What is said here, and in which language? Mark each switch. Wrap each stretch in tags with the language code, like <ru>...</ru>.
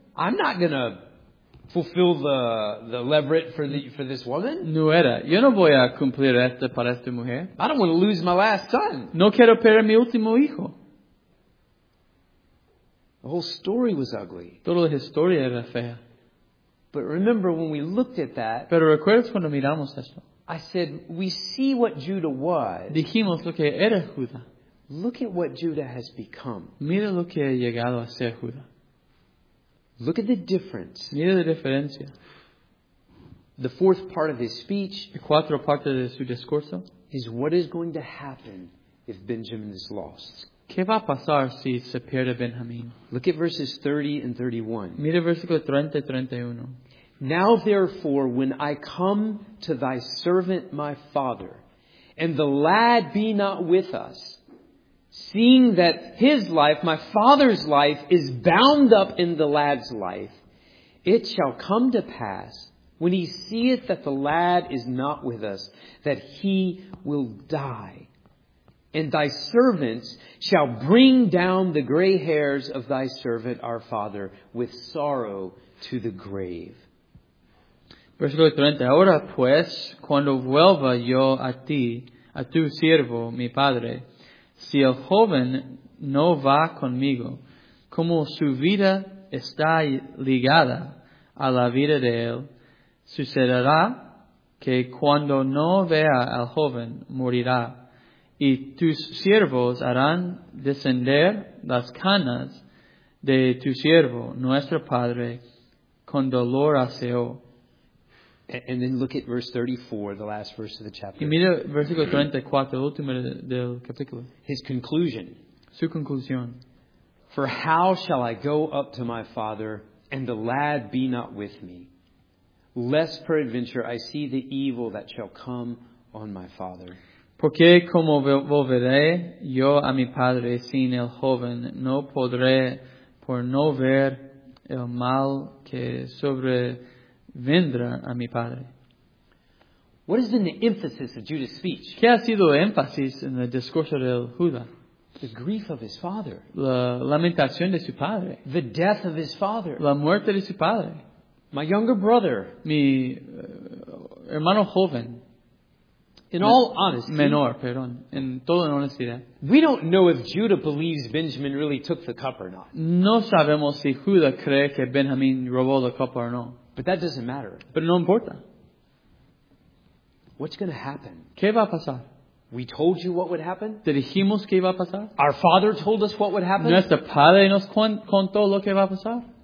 <en>I'm not going to fulfill the leveret for this woman?</en> <es>No era. Yo no voy a cumplir esto para esta mujer.</es> <en>I don't want to lose my last son.</en> <es>No quiero perder mi último hijo.</es> <en>The whole story was ugly.</en> <es>Toda la historia era fea.</es> <en>But remember when we looked at that.</en> <es>Pero recuerdas cuando miramos esto.</es> <en>I said, we see what Judah was.</en> <es>Dijimos lo que era Judá.</es> <en>Look at what Judah has become.</en> <es>Mira lo que ha llegado a ser Judá.</es> <en>Look at the difference.</en> <es>Mira la diferencia.</es> <en>The fourth part of his speech.</en> <es>La cuarta parte de su discurso.</es> <en>Is what is going to happen if Benjamin is lost.</en> <es>¿Qué va a pasar si se pierde Benjamín?</es> <en>Look at verses 30 and 31.</en> <es>Mira versículo 30 y 31.</es> <en>Now therefore, when I come to thy servant my father, and the lad be not with us, seeing that his life, my father's life, is bound up in the lad's life, it shall come to pass, when he seeth that the lad is not with us, that he will die. And thy servants shall bring down the gray hairs of thy servant our father with sorrow to the grave.</en> <es>Versículo 30. Ahora pues, cuando vuelva yo a ti, a tu siervo, mi padre, si el joven no va conmigo, como su vida está ligada a la vida de él, sucederá que cuando no vea al joven, morirá. Y tus siervos harán descender las canas de tu siervo, nuestro padre, con dolor aseo.</es> <en>And then look at verse 34, the last verse of the chapter.</en> <es>Y mira versículo 34, el último del capítulo.</es> <en>His conclusion.</en> <es>Su conclusión.</es> <en>For how shall I go up to my father, and the lad be not with me? Lest peradventure I see the evil that shall come on my father.</en> <es>Porque como volveré yo a mi padre sin el joven, no podré por no ver el mal que sobrevendrá a mi padre.</es> <en>What has been the emphasis of Judah's speech?</en> <es>¿Qué ha sido el énfasis en el discurso del Judá?</es> <en>The grief of his father.</en> <es>La lamentación de su padre.</es> <en>The death of his father.</en> <es>La muerte de su padre.</es> <en>My younger brother.</en> <es>Mi hermano joven.</es> <en>In all honesty,</en> <es>menor, perdón, en toda honestidad,</es> <en>we don't know if Judah believes Benjamin really took the cup or not.</en> <es>No sabemos si Judah cree que Benjamín robó la copa o no.</es> <en>But that doesn't matter.</en> <es>Pero no importa.</es> <en>What's going to happen?</en> <es>¿Qué va a pasar?</es> <en>We told you what would happen.</en> <es>¿Te dijimos qué iba a pasar?</es> <en>Our father told us what would happen.</en> <es>¿Nuestro padre nos contó lo que va a pasar?</es>